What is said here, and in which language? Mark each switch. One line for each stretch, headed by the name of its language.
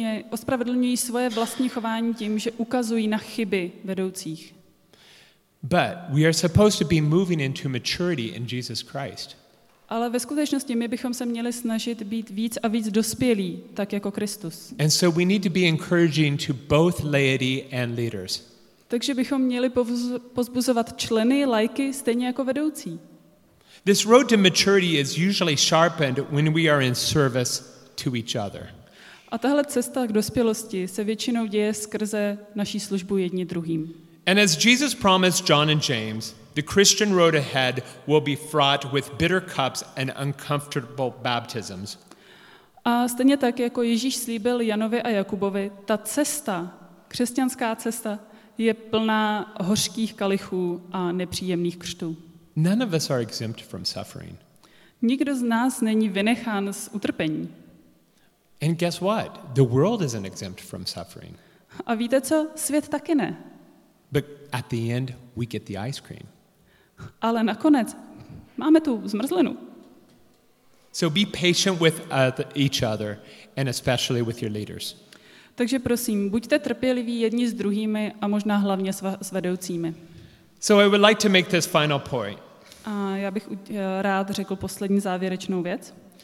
Czech: Ospravedlňují svoje vlastní chování tím, že ukazují na chyby vedoucích.
English: But we are supposed to be moving into maturity in Jesus Christ.
Czech: Ale ve skutečnosti my bychom se měli snažit být víc a víc dospělí, tak jako Kristus.
English: And so we need to be encouraging to both laity and leaders.
Czech: Takže bychom měli povzbuzovat členy, laiky, stejně jako vedoucí.
English: This road to maturity is usually sharpened when we are in service to each other.
Czech: A tahle cesta k dospělosti se většinou děje skrze naší službu jedni druhým.
English: And as Jesus promised John and James, the Christian road ahead will be fraught with bitter cups and uncomfortable baptisms.
Czech: A stejně tak, jako Ježíš slíbil Janovi a Jakubovi, ta cesta, křesťanská cesta, je plná hořkých kalichů a nepříjemných křtů.
English: None of us are exempt from suffering.
Czech: Nikdo z nás není vynechán z utrpení.
English: And guess what? The world isn't exempt from suffering.
Czech: A víte co? Svět taky ne.
English: But at the end, we get the ice cream.
Czech: Ale nakonec máme tu zmrzlinu.
English: So be patient with each other and especially with your leaders.
Czech: Takže prosím, buďte trpěliví jedni s druhými a možná hlavně s vedoucími.
English: So I would like to make this final point.
Czech: A já bych rád řekl poslední závěrečnou věc.